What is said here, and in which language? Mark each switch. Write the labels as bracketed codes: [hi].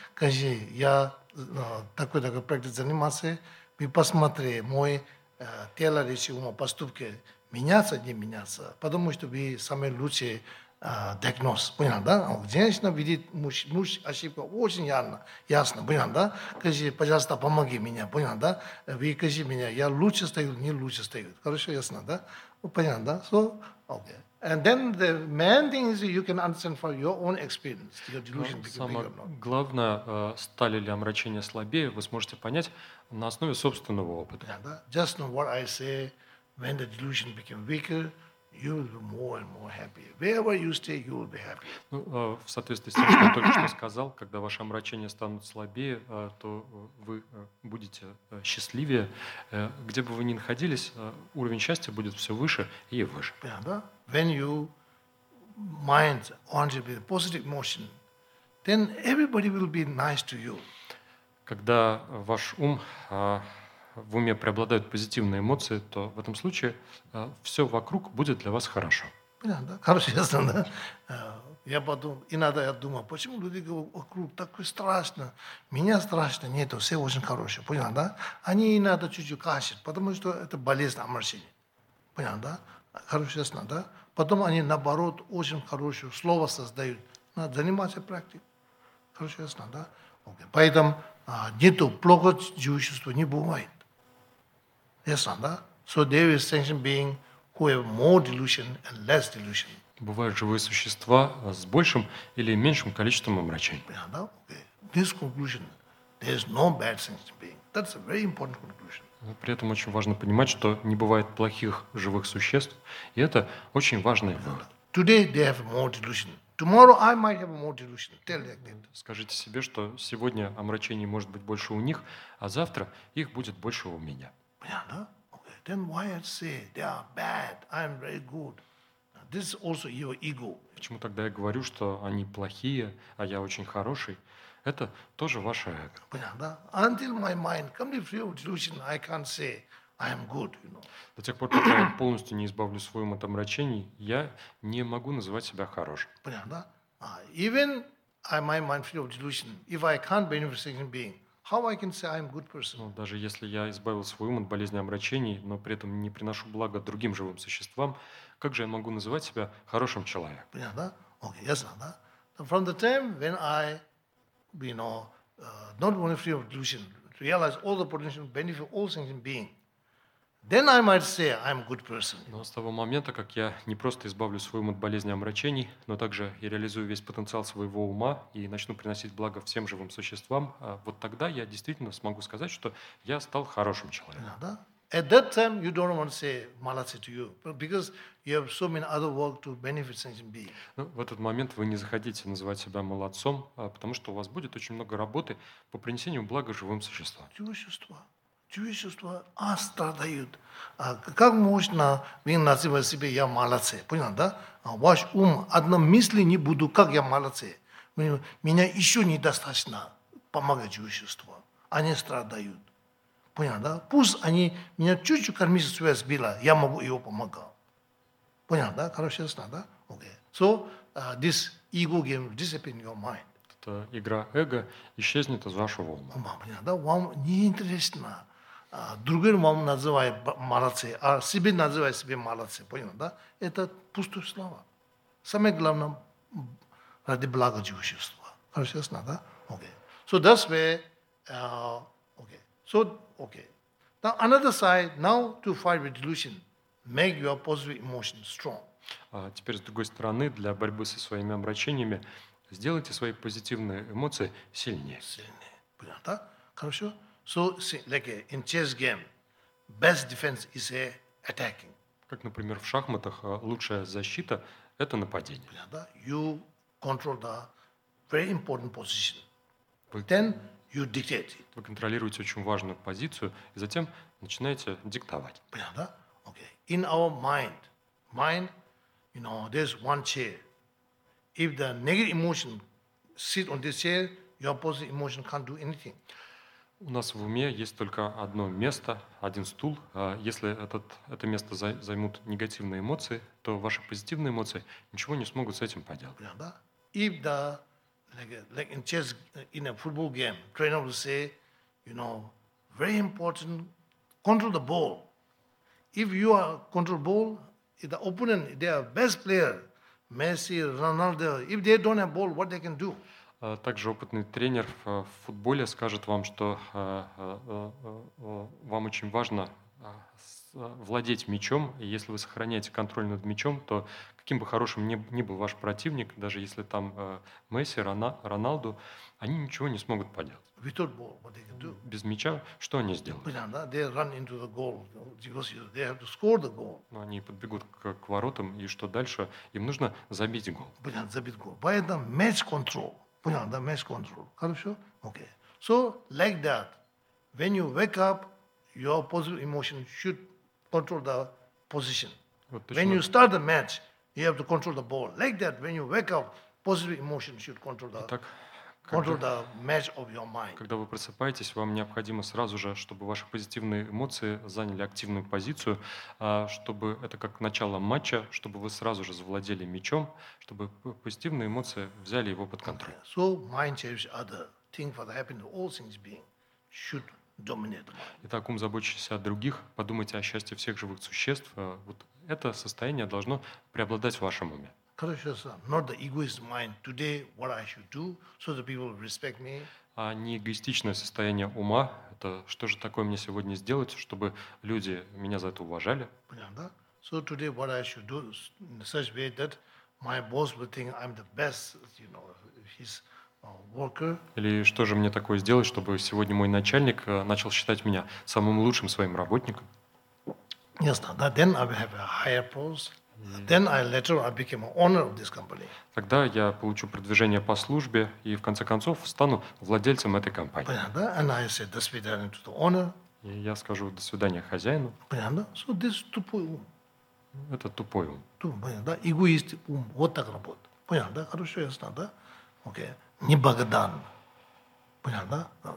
[ru] Скажи, я такой проект занимался, вы посмотри, мой тело, речи, ума, поступки меняться, не меняться, потому что вы самый лучший диагноз. Понял, да? Женщина видит муж ошибку очень ясно. Понял, да? Скажи, пожалуйста, помоги мне. Понял, да? Вы скажи мне, я лучше стою, не лучше стою. Хорошо, ясно, да? Понял, да? [en] So, okay. And then the main thing is you can understand from your own experience your delusion becomes bigger or not. [ru] Главное, стали ли омрачения слабее, вы сможете понять на основе собственного опыта. [en] Yeah, [ru] да? [en] Just know what I say, when the delusion becomes weaker, you will be more and more happy. Wherever you stay, you will be happy. [ru] Ну, в соответствии с тем, что я только что сказал, когда ваши омрачения станут слабее, то вы будете счастливее. Где бы вы ни находились, уровень счастья будет все выше и выше. [en] Yeah, [ru] да? [en] When you mind on to be a positive emotion, then everybody will be nice to you. [ru] Когда ваш ум в уме преобладают позитивные эмоции, то в этом случае все вокруг будет для вас хорошо. Понятно, да? Хорошо, ясно, да? Я подумал, иногда я думаю, почему люди говорят, вокруг такое страшно, меня страшно, нет, все очень хорошие, понятно, да? Они иногда чуть-чуть кашляют, потому что это болезнь, омрачение. Понятно, да? Хорошо, ясно, да? Потом они, наоборот, очень хорошее слово создают. Надо заниматься практикой. Хорошо, ясно, да? Окей. Поэтому нету плохо чувства не бывает. Ясно, да? [en] So there is sentient being who have more delusion and less delusion. [ru] Бывают живые существа с большим или меньшим количеством омрачений. Понятно, да? Окей. [en] This conclusion, there is no bad sentient being. That's a very important conclusion. [ru] При этом очень важно понимать, что не бывает плохих живых существ, и это очень важный вывод. [en] Today they have more delusion. Tomorrow I might have more delusion. Tell them. [ru] Скажите себе, что сегодня омрачений может быть больше у них, а завтра их будет больше у меня. Понятно? [en] Okay. Then why I say they are bad? I am very good. This is also your ego. [ru] Почему тогда я говорю, что они плохие, а я очень хороший? Это тоже ваше эго. Понятно? [en] Until my mind completely free of delusion, I can't say I am good, you know. [ru] До тех пор, пока я полностью не избавлю свой ум от омрачений, я не могу называть себя хорошим. Понятно? [en] Even my mind free of delusion, if I can't be a sentient being, How I can say I'm good person? [ru] Ну, даже если я избавил свой ум от болезни омрачений, но при этом не приношу блага другим живым существам, как же я могу называть себя хорошим человеком? Понятно, да? Окей, ясно, да? [en] From the time when I, you know, not only free of delusion, realize all the potential benefit all things in being, then I might say I'm good person. [ru] Но с того момента, как я не просто избавлю свой ум от болезни омрачений, но также и реализую весь потенциал своего ума и начну приносить благо всем живым существам, вот тогда я действительно смогу сказать, что я стал хорошим человеком. Да. [en] At that time you don't want to say malatsi to you, because you have so many other work to benefit sentient being. [ru] Ну, в этот момент вы не захотите называть себя молодцом, потому что у вас будет очень много работы по принесению блага живым существам. Чувства страдают. Как можно вы называете себя я молодцы? Понял, да? Ваш ум одно мысли не буду, как я молодцы. Меня еще недостаточно помогать чувства. Они страдают. Понял, да? Пусть они меня чуть-чуть кармическую связь сбили, я могу его помогать. Понял, да? Хорошо, ясно, да? Окей. [en] So, this ego game disappears in your mind. [ru] Это игра эго исчезнет из вашего ума. Ума, понял, да? Вам неинтересно. Другим вам называют молодцы, а себе называют себе молодцы. Понял, да? Это пустые слова. Самое главное, ради блага живущества. Хорошо, ясно, да? Окей. [en] So, that's where... [ru] Окей. [en] So... Okay. Now another side. Now to fight with delusion, make your positive emotion strong. [ru] Теперь с другой стороны, для борьбы со своими омрачениями, сделайте свои позитивные эмоции сильнее. Сильнее. Понятно, да? Хорошо. [en] So, see, like in chess game, best defense is attacking. [ru] Как, например, в шахматах лучшая защита – это нападение. Понятно, да? [en] You control the very important position. Then. You dictate. [ru] Вы контролируете очень важную позицию и затем начинаете диктовать. Понятно, да? Okay. [en] In our mind, you know, there's one chair. If the negative emotion sit on this chair, your positive emotion can't do anything. [ru] У нас в уме есть только одно место, один стул. Если это место займут негативные эмоции, то ваши позитивные эмоции ничего не смогут с этим поделать. Понятно, да? [en] If the Like in chess, in a football game, trainer will say, you know, very important, control the ball. If you are control ball, if the opponent, they are best player, Messi, Ronaldo, if they don't have ball, what they can do? [ru] Также опытный тренер в футболе скажет вам, что вам очень важно владеть мячом, и если вы сохраняете контроль над мячом, то каким бы хорошим ни был ваш противник, даже если там Месси, Роналду, они ничего не смогут поделать. [en] Ball, [ru] без мяча что они сделают? [en] They run into the goal because they have to score the goal. [ru] Но они подбегут к воротам, и что дальше? Им нужно забить гол. Понятно, забить гол. Поэтому [en] match control. [ru] Понятно, да, match control. Хорошо? Окей. [en] So, like that, when you wake up, your positive emotion should control the position. [ru] Вот [en] when you start the match, you have to control the ball. Like that, when you wake up, positive emotion should control the [ru] Итак, [en] control the match of your mind. [ru] Когда вы просыпаетесь, вам необходимо сразу же, чтобы ваши позитивные эмоции заняли активную позицию, чтобы это как начало матча, чтобы вы сразу же завладели мячом, чтобы позитивные эмоции взяли его под контроль. [en] So mind changes other thing for the happiness all things being should. [ru] Итак, ум, заботящийся о других, подумайте о счастье всех живых существ. Вот это состояние должно преобладать в вашем уме. [en] Not the egoist mind. Today, what I should do so the people respect me. [ru] А не эгоистичное состояние ума. Это что же такое мне сегодня сделать, чтобы люди меня за это уважали? Понятно, да? [en] So today, what I should do in such way that my boss will think I'm the best, you know, his worker. [ru] Или что же мне такое сделать, чтобы сегодня мой начальник начал считать меня самым лучшим своим работником? Ясно. [en] Yes, then I will have a higher post. Then I later I became an owner of this company. [ru] Тогда я получу продвижение по службе и в конце концов стану владельцем этой компании. Понятно, да? [en] And I say [ru] до свидания [en] to the owner. [ru] И я скажу до свидания хозяину. Понятно, да? [en] So this [ru] тупой ум. Это тупой ум. Понятно, да? Эгоист ум. Вот так работает. Понятно, да? Хорошо, ясно, да? Окей. Okay. Неблагодарный. Понятно, да?